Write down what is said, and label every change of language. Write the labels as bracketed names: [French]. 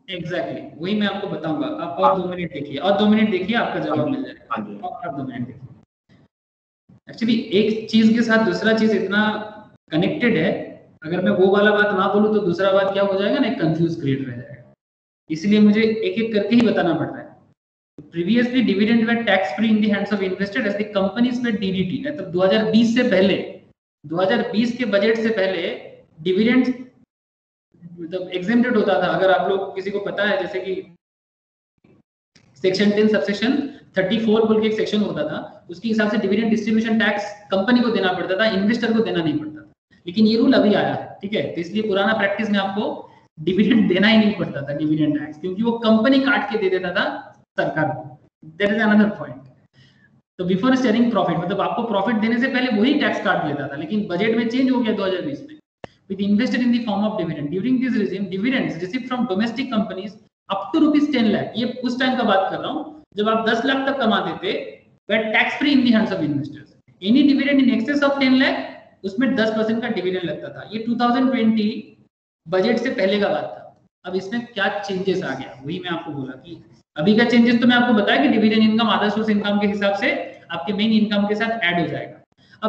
[Hindi] Exactly वही मैं आपको बताऊंगा, आप और दो मिनट देखिए, और दो मिनट देखिए आपका जवाब मिल जाएगा। एक्चुअली एक चीज के साथ दूसरा चीज इतना कनेक्टेड है, अगर मैं वो वाला बात ना बोलूं तो दूसरा बात क्या हो जाएगा ना, कंफ्यूज क्रिएट रह जाएगा, इसलिए मुझे एक एक करके ही बताना पड़ रहा है। [English] Previously, dividend were tax-free in the hands of investors as the companies were DDT. [Hindi] तो 2020 से पहले, 2020 के बजट से पहले dividend मतलब exempted होता था। अगर आप लोग किसी को पता है, जैसे कि section 10 subsection 34 बोल के एक section होता था, उसके हिसाब से dividend distribution tax company को देना पड़ता था, investor को देना नहीं पड़ता था। लेकिन ये rule अभी आया है, ठीक है? तो इसलिए पुराना practice में आपको dividend देना ही नहीं पड़ता था dividend tax, क्योंकि वो company काट के दे देता था सरकार। [English] That is another point. [Hindi] तो [English] before sharing profit, [Hindi] मतलब आपको profit देने से पहले वही tax काट लेता था, लेकिन budget में change हो गया 2020 में। [English] With invested in the form of dividend, during this regime, dividends received from domestic companies up to rupees 10 lakh, [Hindi] ये उस time का बात कर रहा हूँ, जब आप 10 lakh तक कमाते थे, [English] were tax free in the hands of investors. Any dividend in excess of 10 lakh, [Hindi] उसमें 10% का dividend लगता था। ये 2020 budget से पहले का बात था। अब इसमें क्या changes आ गया? वही मैं आपको बोला कि अभी का चेंजेस तो मैं आपको बताया कि डिविडेंड इनकम आदर्श सोर्स इनकम के हिसाब से आपके मेन इनकम के साथ ऐड हो जाएगा।